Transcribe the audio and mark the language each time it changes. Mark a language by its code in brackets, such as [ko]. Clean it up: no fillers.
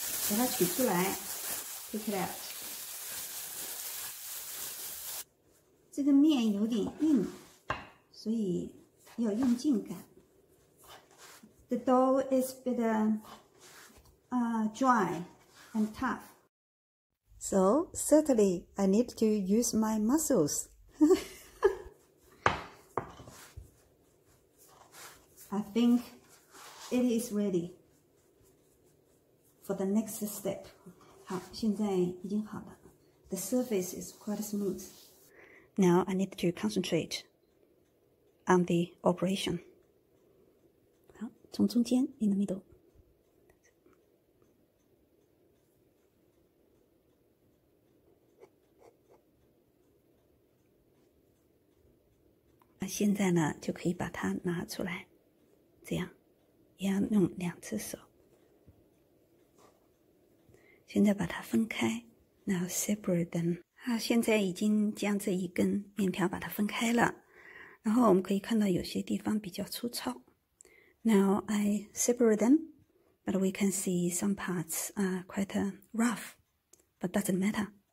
[zh] 把它取出来 ， [en] take it out。 [zh] 这个面有点硬，所以要用劲擀。 [en] The dough is a bit dry and tough. So, certainly, I need to use my muscles. I think it is ready for the next step. [zh] 好，现在已经好了。 [en] The surface is quite smooth. Now, I need to concentrate on the operation. [zh] 从中间 [en] ，in the middle。 [zh] 那现在呢，就可以把它拿出来，这样，也要用两只手。现在把它分开 ， [en] now separate them。 [zh] 好，现在已经将这一根面条把它分开了，然后我们可以看到有些地方比较粗糙。 [en] Now I separate them, but we can see some parts are quite rough, but doesn't matter.